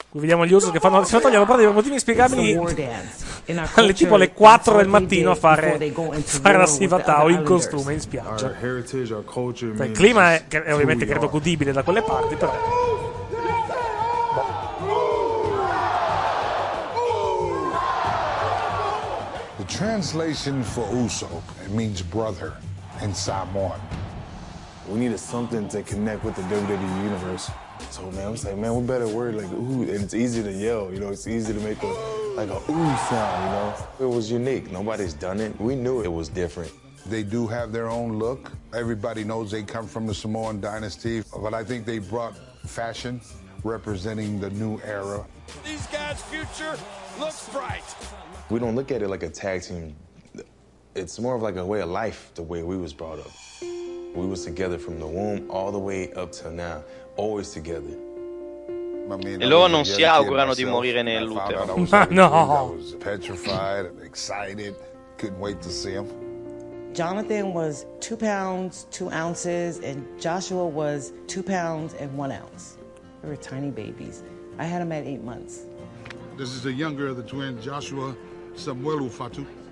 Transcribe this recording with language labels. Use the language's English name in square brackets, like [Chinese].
[Italian] Qui vediamo gli Usos che fanno si togliono proprio per motivi inspiegabili. Alle tipo alle 4 del mattino a fare la Steve Vitale in costume in spiaggia. Il clima è ovviamente credo godibile da quelle parti, però. [English] The translation for Uso, it means brother in Samoan. We needed something to connect with the WWE universe. So man, I was like, man, we better word like ooh, and it's easy to yell, you know, it's easy to make a ooh sound, you know. It was unique. Nobody's done it. We knew it was different. They do have their own look. Everybody knows they come from the Samoan dynasty, but I think they brought fashion representing the new era. These guys' future looks bright. We don't look at it like a tag team. It's more of like a way of life, the way we was brought up. We was together from the womb all the way up till now. Always together. [Italian] E loro non si augurano di morire nell'utero. Ma no. [English] Petrified, excited, couldn't wait to see him. Jonathan was 2 pounds, 2 ounces, and Joshua was 2 pounds and 1 ounce. They were tiny babies. I had them at 8 months. This is the younger of the twin, Joshua Samuelu Fatu.